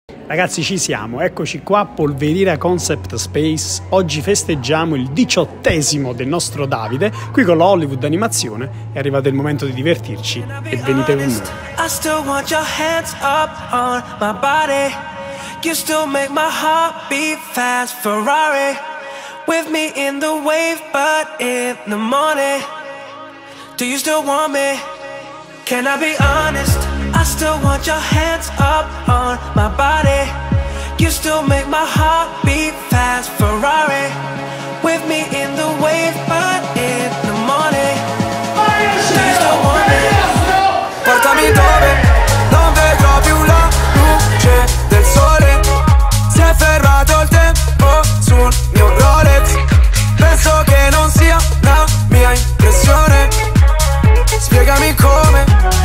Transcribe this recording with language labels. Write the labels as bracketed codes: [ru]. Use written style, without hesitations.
[it] Ragazzi, ci siamo, eccoci qua, Polveriera Concept Space. Oggi festeggiamo il 18° del nostro Davide, qui con la Hollywood Animazione. È arrivato il momento di divertirci e venite con noi. [en] I still want your hands up on my body. You still make my heart beat fast, Ferrari. With me in the wave, but in the morning. Do you still want me? Can I be honest? I still want your hands up on my body. You still make my heart beat fast, Ferrari. With me in the wave, but in the morning. Do you still want me? [it] Portami dove non vedrò più la luce del sole. Si è fermato il tempo sul mio Rolex. Penso che non sia la mia impressione. Spiegami come.